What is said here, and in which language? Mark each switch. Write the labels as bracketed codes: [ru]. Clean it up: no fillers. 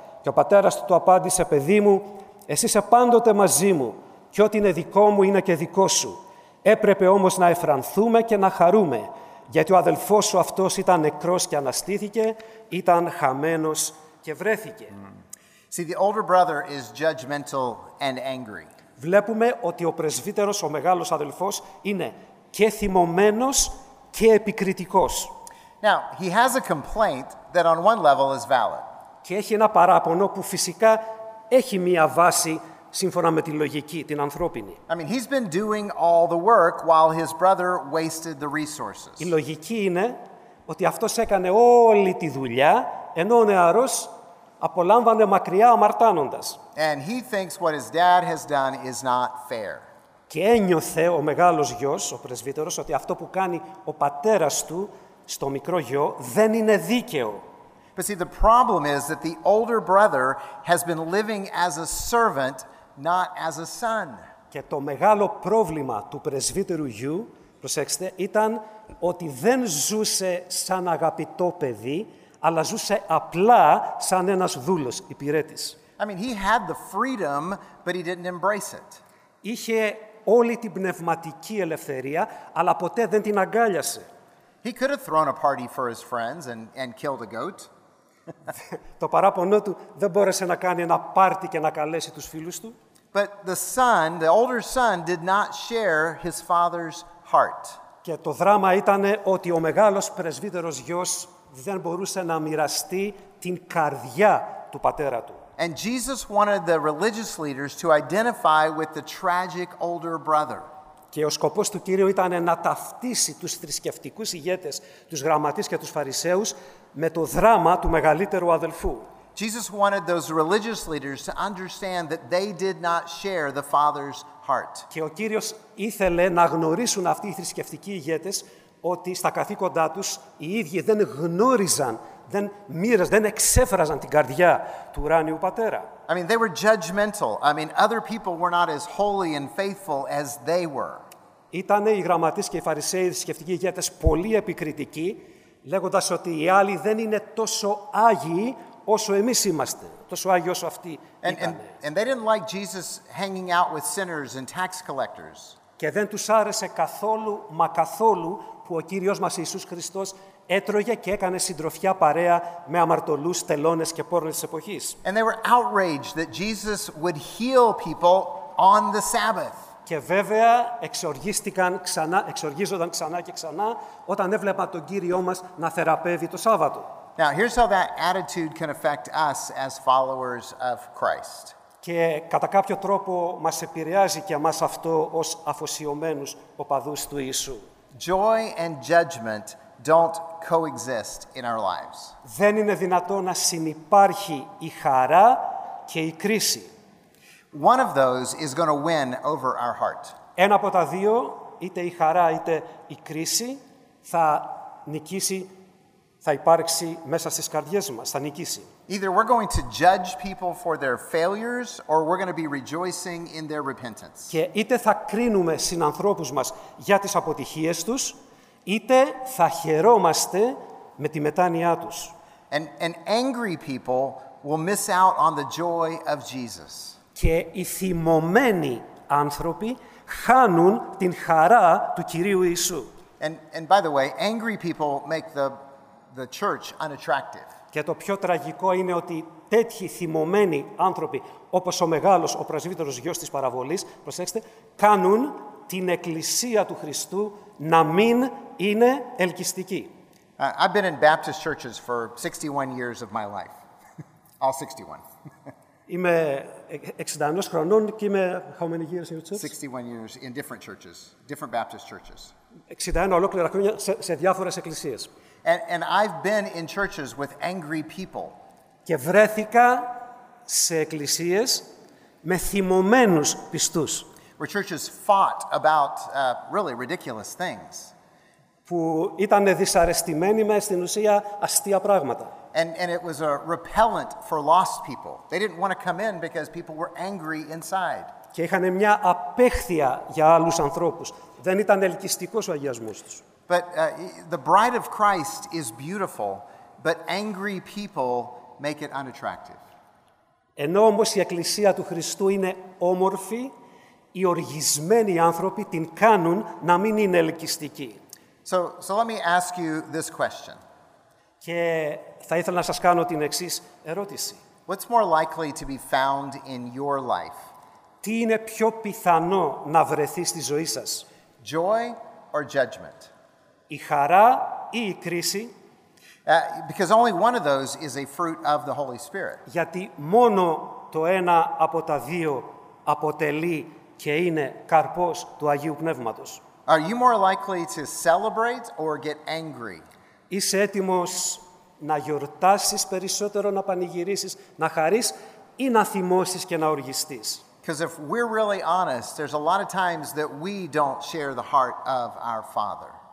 [el] Και ο πατέρας του το απάντησε, παιδί μου, εσύ είσαι πάντοτε μαζί μου και ό,τι είναι δικό μου είναι και δικό σου. Έπρεπε όμως να εφρανθούμε και να χαρούμε, γιατί ο αδελφός σου αυτός ήταν νεκρός και αναστήθηκε, ήταν χαμένος και βρέθηκε. [en] See, the older brother is judgmental and angry. [el] Βλέπουμε ότι ο πρεσβύτερος, ο μεγάλος αδελφός, είναι και θυμωμένος και επικριτικός. [en] Now, he has a complaint that on one level is valid. [el] Και έχει ένα παράπονο που φυσικά έχει μία βάση σύμφωνα με τη λογική, την ανθρώπινη. [en] I mean, he's been doing all the work while his brother wasted the resources. [el] Η λογική είναι ότι αυτός έκανε όλη τη δουλειά, ενώ ο νεαρός απολάμβανε μακριά αμαρτάνοντας. [en] And he thinks what his dad has done is not fair. [el] Και ένιωθε ο μεγάλος γιος, ο πρεσβύτερος, ότι αυτό που κάνει ο πατέρας του στο μικρό γιο δεν είναι δίκαιο. [en] But see, the problem is that the older brother has been living as a servant, not as a son. [el] Και το μεγάλο πρόβλημα του πρεσβύτερου γιου, προσέξτε, ήταν ότι δεν ζούσε σαν αγαπητό παιδί, αλλά ζούσε απλά σαν ένας δούλος, υπηρέτης. [en] I mean, he had the freedom, but he didn't embrace it. [el] Είχε όλη την πνευματική ελευθερία, αλλά ποτέ δεν την αγκάλιασε. [en] He could have thrown a party for his friends and killed a goat. [el] Το παράπονο του δεν μπόρεσε να κάνει ένα πάρτι και να καλέσει τους φίλους του. [en] But the son, the older son, did not share his father's heart. [el] Και το δράμα ήταν ότι ο μεγάλος πρεσβύτερος γιος δεν μπορούσε να μοιραστεί την καρδιά του πατέρα του. [en] And Jesus wanted the religious leaders to identify with the tragic older brother. [el] Και ο σκοπός του Κύριου ήταν να ταυτίσει τους θρησκευτικούς ηγέτες, τους γραμματείς και τους φαρισαίους, με το δράμα του μεγαλύτερου αδελφού. [en] Jesus wanted those religious leaders to understand that they did not share the Father's heart. [el] Και ο Κύριος ήθελε να γνωρίσουν αυτοί οι θρησκευτικοί ηγέτες ότι στα καθήκοντά τους οι ίδιοι δεν γνώριζαν, δεν μοίραζαν, δεν εξέφραζαν την καρδιά του ουράνιου πατέρα. [en] I mean, they were judgmental. I mean, other people were not as holy and faithful as they were. [el] Ήτανε οι γραμματείς και οι φαρισαίοι, οι σκεφτικοί ηγέτες, πολύ επικριτικοί, λέγοντας ότι οι άλλοι δεν είναι τόσο άγιοι όσο εμείς είμαστε, τόσο άγιοι όσο αυτοί ήτανε. [en] And they didn't like Jesus hanging out with sinners and tax collectors. [el] Και δεν τους άρεσε καθόλου, μα καθόλου, που ο Κύριος μας Ιησούς Χριστός έτρωγε και έκανε συντροφιά παρέα με αμαρτωλούς, τελώνες και πόρνες της εποχής. [en] And they were outraged that Jesus would heal people on the Sabbath. [el] Και βέβαια εξοργίζονταν ξανά όταν έβλεπα τον Κύριό μας να θεραπεύει το Σάββατο. [en] Now here's how that attitude can affect us as followers of Christ. [el] Και κατά κάποιο τρόπο μας επηρεάζει και εμάς αυτό ως αφοσιωμένους οπαδούς του Ιησού. [en] Joy and judgment don't coexist in our lives. [el] Δεν είναι δυνατό να συνυπάρχει η χαρά και η κρίση. [en] One of those is going to win over our heart. [el] Ένα από τα δύο, είτε η χαρά είτε η κρίση, θα νικήσει, θα υπάρξει μέσα στις καρδιές μας, θα νικήσει. [en] Either we're going to judge people for their failures or we're going to be rejoicing in their repentance. [el] Και είτε θα κρίνουμε συνανθρώπους μας για τις αποτυχίες τους, είτε θα χαιρόμαστε με τη μετάνοιά τους. [en] And angry people will miss out on the joy of Jesus. [el] Και οι θυμωμένοι άνθρωποι χάνουν την χαρά του Κυρίου Ιησού. [en] And by the way, angry people make the church unattractive. [el] Και το πιο τραγικό είναι ότι τέτοιοι θυμωμένοι άνθρωποι, όπως ο μεγάλος, ο πρεσβύτερος γιος της παραβολής, προσέξτε, κάνουν την εκκλησία του Χριστού να μην είναι ελκυστική. [en] I've been in Baptist churches for 61 years of my life. All 61. [el] Είμαι 61 χρονών και είμαι [en] how many years in your church? 61 years in different churches, different Baptist churches. [el] 61 ολόκληρα χρόνια σε διάφορες εκκλησίες. [en] And I've been in churches with angry people. [el] Και βρέθηκα σε εκκλησίες με θυμωμένους πιστούς. [en] Where churches fought about really ridiculous things. [el] Που ήταν δυσαρεστημένοι με στην ουσία αστεία πράγματα. [en] And it was a repellent for lost people. They didn't want to come in because people were angry inside. [el] Και είχαν μια απέχθεια για άλλους ανθρώπους. Δεν ήταν ελκυστικός ο αγιασμός τους. [en] But the bride of Christ is beautiful, but angry people make it unattractive. [el] Ενώ όμως η εκκλησία του Χριστού είναι όμορφη, οι οργισμένοι άνθρωποι την κάνουν να μην είναι ελκυστική. [en] So let me ask you this question. [el] Και θα ήθελα να σας κάνω την εξής ερώτηση. [en] What's more likely to be found in your life? [el] Τι είναι πιο πιθανό να βρεθεί στη ζωή σας? [en] Joy or judgment? [el] Η χαρά ή η κρίση? [en] Because only one of those is a fruit of the Holy Spirit. [el] Γιατί μόνο το ένα από τα δύο αποτελεί και είναι καρπός του Αγίου Πνεύματος. [en] Are you more likely to celebrate or get angry? [el] Είσαι έτοιμος να γιορτάσεις περισσότερο, να πανηγυρίσεις, να χαρείς ή να θυμώσεις και να οργιστείς? [en] Because if we're really honest, there's a lot of times that we don't share the heart of our Father.